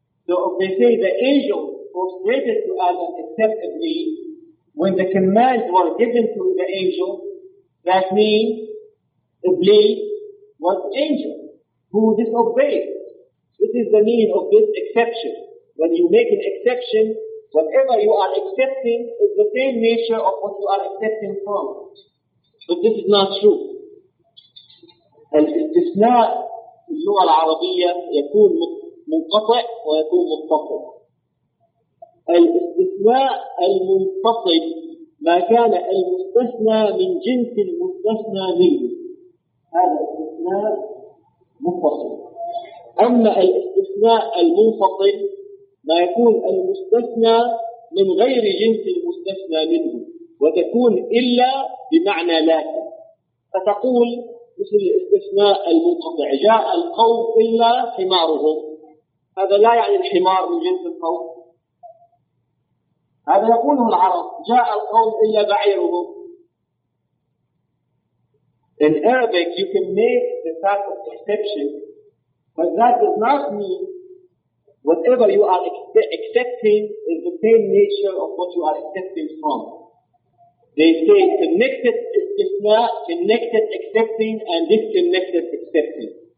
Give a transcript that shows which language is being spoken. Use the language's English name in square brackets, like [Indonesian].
[English] So if they say the angel prostrated to Adam except Iblis, when the commands were given to the angel, that means Iblis was angel who disobeyed. This is the meaning of this exception. When you make an exception, whatever you are accepting is the same nature of what you are accepting from. But this is not true. [Arabic] الاستثناء في اللغة العربية يكون منقطع ويكون متصل. الاستثناء المنفصل ما كان المستثنى من جنس المستثنى منه. هذا استثناء منفصل. أما الاستثناء المنفصل ما يكون المستثنى من غير جنس المستثنى منه وتكون إلا بمعنى لكن. فتقول مثل الاستثناء المنقطع، جاء القوم إلا حمارهم. هذا لا يعني الحمار من جنس القوم. هذا يقوله العرب، جاء القوم إلا بعيرهم. [English] In Arabic you can make the type of exception. But that does not mean whatever you are accepting is the same nature of what you are accepting from. They say connected istithna, connected accepting, and disconnected accepting.